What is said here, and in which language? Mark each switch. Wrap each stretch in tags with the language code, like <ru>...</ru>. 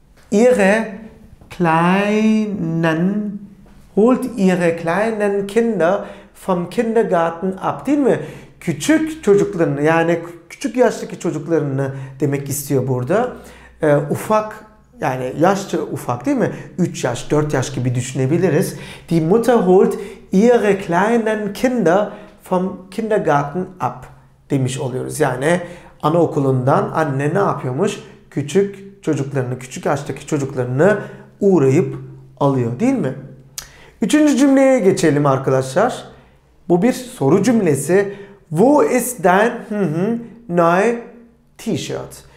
<de>Ihre kleinen, holt ihre kleinen Kinder vom Kindergarten ab,</de> <tr>değil mi? Küçük çocuklarını, yani küçük yaştaki çocuklarını demek istiyor burada. Ufak, yani yaşça ufak değil mi? 3 yaş, 4 yaş gibi düşünebiliriz.</tr> <de>Die Mutter holt ihre kleinen Kinder vom Kindergarten ab,</de> <tr>demiş oluyoruz. Yani anaokulundan anne ne yapıyormuş? Küçük çocuklarını, küçük yaştaki çocuklarını uğrayıp alıyor değil mi? Üçüncü cümleye geçelim arkadaşlar. Bu bir soru cümlesi.</tr> <de>Wo ist dein neue T-shirt?</de>